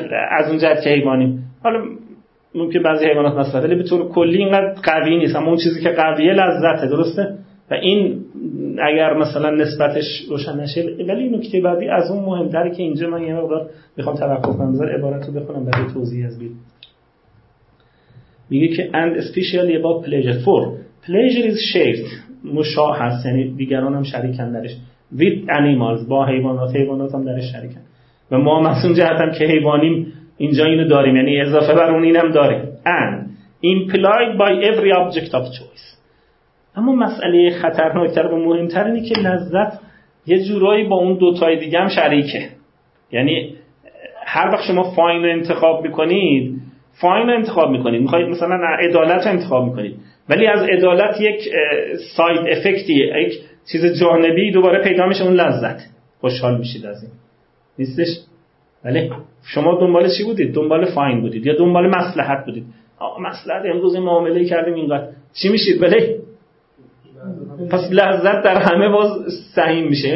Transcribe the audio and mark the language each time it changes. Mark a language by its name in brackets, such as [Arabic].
[Persian] از اون جهت که حیوانیم، حالا ممکن بعضی حیوانات مصلحت، ولی به طور کلی اینقدر قوی نیست، اما اون چیزی که قویه لذته، درسته؟ و این اگر مثلا نسبتش روشن نشه، ولی نکته بعدی از اون مهمتره که اینجا من یه مقدار میخوام توقف کنم، بذار عبارت رو بخونم برای توضیح از بیل. میگه که [English] and especially about pleasure. For pleasure is shared، [Persian] مشاع هست، یعنی دیگران هم شریکن درش، [English] with animals، [Persian] با حیوانات، حیوانات هم درش شریکن، و ما هم از اون جهت هم که حیوانیم اینجا اینو داریم، یعنی اضافه بر اون اینم داریم. [English] And implied by every object of choice. [Persian] اما مسئله خطرناکتر و مهمتر اینه که لذت یه جورایی با اون دوتای دیگه هم شریکه. یعنی هر وقت شما فاین رو انتخاب میکنید، فاین رو انتخاب میکنید، میخواید مثلا عدالت رو انتخاب میکنید، ولی از عدالت یک ساید افکتی، یک چیز جانبی دوباره پیدا میشه، اون لذت، خوشحال میشید از این نیستش؟ ولی شما دنبال چی بودید؟ دنبال فاین بودید یا دنبال مصلحت بودید؟ مصلحت امروز معامله کردیم اینقدر چی میشید؟ ولی پس لذت در همه باز سهیم میشه.